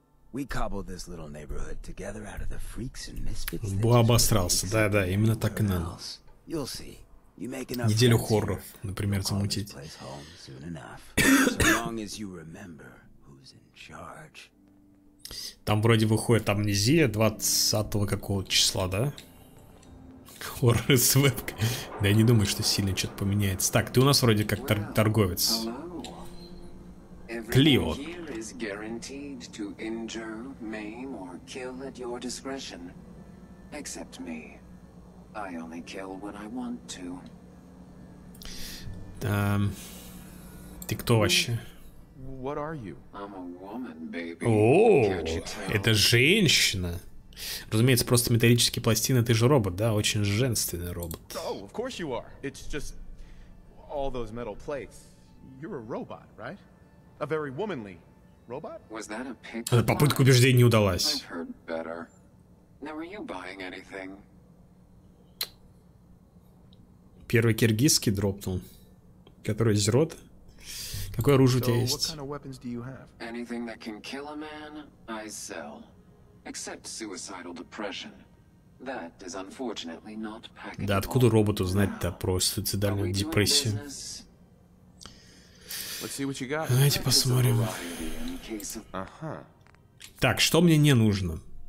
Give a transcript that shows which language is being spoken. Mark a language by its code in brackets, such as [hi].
[en] We cobbled this little neighborhood together out of the freaks and misfits. [ru] Бу обосрался, да-да, именно так и надо. [en] You'll see. You make enough. [ru] Неделю хорроров, например, замутить. [en] So long as you remember who's in charge. [ru] Там вроде выходит Амнезия 20-го какого числа, да? Хорроры с вебкой. Да я не думаю, что сильно что-то поменяется. Так, ты у нас вроде как торговец. Клио. [en] Is guaranteed to injure, maim, or kill at your discretion. Except me. I only kill when I want to. [ru] Ты кто вообще? [en] What are you? I'm a woman, baby. [ru] Oh, это женщина. Разумеется, просто металлические пластины, ты же робот, да, очень женственный робот. [en] Oh, of course you are. It's just all those metal plates. You're a robot, right? A very womanly robot? Was that a pick? [ru] Попытка убеждения не удалась. [en] I've heard better. Now, were you buying anything? [ru] Первый киргизский дропнул. Который из рот. Какое оружие у тебя есть? [en] What kind of weapons do you have? Anything that can kill a man, I sell. Except suicidal depression. That is unfortunately not packable. [ru] Да откуда роботу знать-то про суицидальную депрессию? [en] Let's see what you got. [ru] Давайте посмотрим. Так, что мне не нужно?